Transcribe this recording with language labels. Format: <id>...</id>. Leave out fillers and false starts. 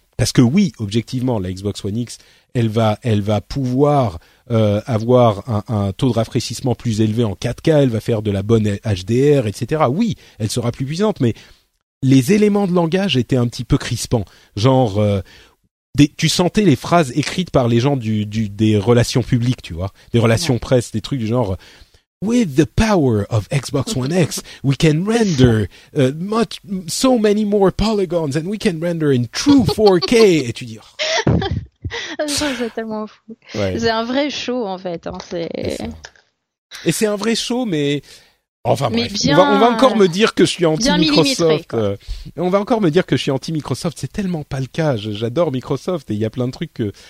<fr>Parce que oui, objectivement, la Xbox One X, elle va pouvoir avoir un taux de rafraîchissement plus élevé en 4K, elle va faire de la bonne HDR, etc. Oui, elle sera plus puissante, mais les éléments de langage étaient un petit peu crispants. Genre, tu sentais les phrases écrites par les gens des relations publiques, tu vois, des relations presse, des trucs du genre...</fr> <en>With the power of Xbox One X, we can render so many more polygons and we can render in true 4K.</en> <fr>Et tu dis. C'est tellement fou. Ouais. C'est un vrai show, en fait. Hein. Et c'est un vrai show, mais. Enfin, bref. On va encore me dire que je suis anti-Microsoft. On va encore me dire que je suis anti-Microsoft. C'est tellement pas le cas. J'adore Microsoft et il y a plein de trucs que.</fr>